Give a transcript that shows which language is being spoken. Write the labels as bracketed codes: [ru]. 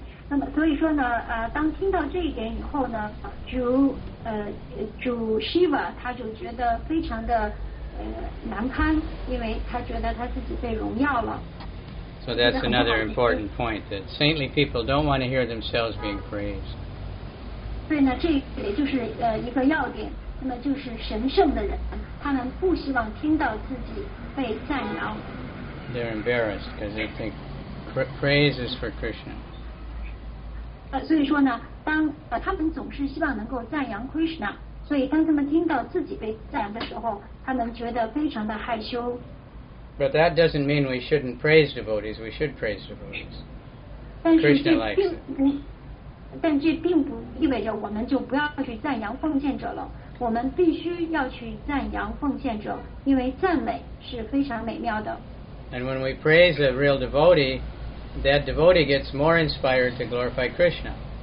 [zh] 那么所以说呢，当听到这一点以后呢，主 Shiva 他就觉得非常的难堪，因为他觉得他自己被荣耀了。 [en] So that's another important point that saintly people don't want to hear themselves being praised. [zh] 所以呢，这也就是一个要点。那么就是神圣的人，他们不希望听到自己被赞扬。 [en] they're embarrassed because they think praise is for Krishna. [zh] 所以说呢，当他们总是希望能够赞扬 Krishna， 所以当他们听到自己被赞扬的时候，他们觉得非常的害羞。 [en] But that doesn't mean we shouldn't praise devotees. We should praise devotees. Krishna likes it. [zh] 但这并不意味着我们就不要去赞扬奉献者了。我们必须要去赞扬奉献者，因为赞美是非常美妙的。 [en] And when we praise a real devotee, that devotee gets more inspired to glorify Krishna.